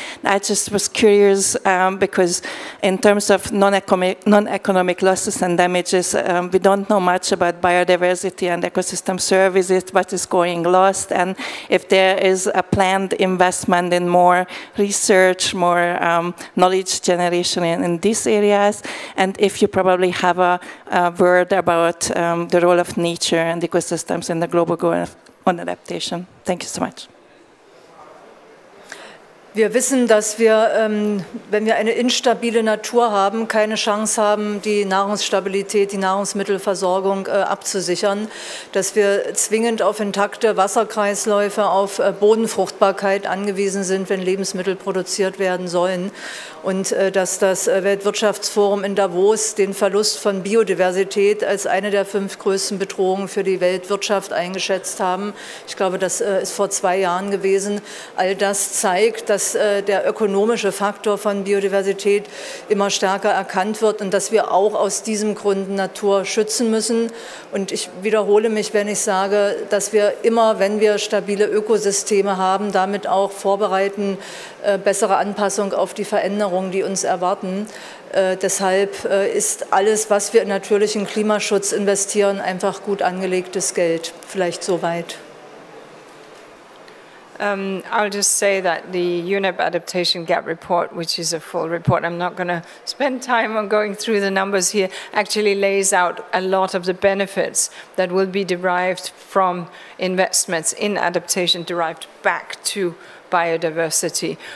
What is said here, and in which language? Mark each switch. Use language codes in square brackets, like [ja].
[en] I just was curious because in terms of non-economic losses and damages, we don't know much about biodiversity and ecosystem services, what is going lost, and if there is a planned investment in more research, more knowledge generation in these areas, and if you probably have a word about the role of nature and ecosystems in the global goal on adaptation. Thank you so much. [de] Wir wissen, dass wir, wenn wir eine instabile Natur haben, keine Chance haben, die Nahrungsstabilität, die Nahrungsmittelversorgung abzusichern, dass wir zwingend auf intakte Wasserkreisläufe, auf Bodenfruchtbarkeit angewiesen sind, wenn Lebensmittel produziert werden sollen und dass das Weltwirtschaftsforum in Davos den Verlust von Biodiversität als eine der fünf größten Bedrohungen für die Weltwirtschaft eingeschätzt haben. Ich glaube, das ist vor zwei Jahren gewesen. All das zeigt, dass der ökonomische Faktor von Biodiversität immer stärker erkannt wird und dass wir auch aus diesem Grund Natur schützen müssen. Und ich wiederhole mich, wenn ich sage, dass wir immer, wenn wir stabile Ökosysteme haben, damit auch vorbereiten, bessere Anpassung auf die Veränderungen, die uns erwarten. Deshalb ist alles, was wir in natürlichen Klimaschutz investieren, einfach gut angelegtes Geld. Vielleicht soweit. [en] I'll just say that the UNEP Adaptation Gap Report, which is a full report, I'm not going to spend time on going through the numbers here, actually lays out a lot of the benefits that will be derived from investments in adaptation derived back to biodiversity.